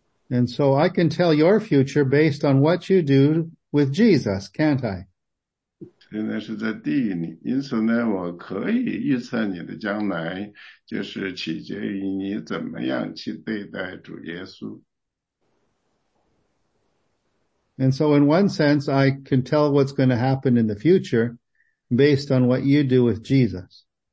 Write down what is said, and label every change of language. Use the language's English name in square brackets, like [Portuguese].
[English] And so I can tell your future based on what you do with Jesus, can't I? [Chinese] 现在是在地里，因此呢，我可以预测你的将来，就是取决于你怎么样去对待主耶稣。 [English] And so in one sense, I can tell what's going to happen in the future based on what you do with Jesus.